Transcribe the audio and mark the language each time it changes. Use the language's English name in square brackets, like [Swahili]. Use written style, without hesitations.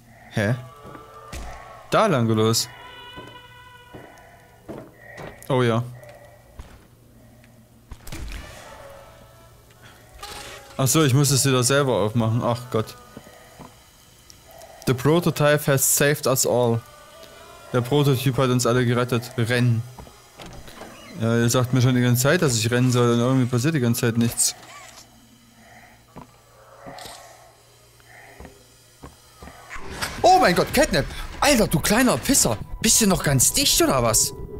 [German] Hä? Da lang los. Oh ja. Ach so, ich muss es wieder selber aufmachen. Ach Gott. [English] The prototype has saved us all. [German] Der Prototyp hat uns alle gerettet. Rennen. Ja, ihr sagt mir schon die ganze Zeit, dass ich rennen soll und irgendwie passiert die ganze Zeit nichts. Oh mein Gott, Catnap! Alter, du kleiner Pisser! Bist du noch ganz dicht oder was?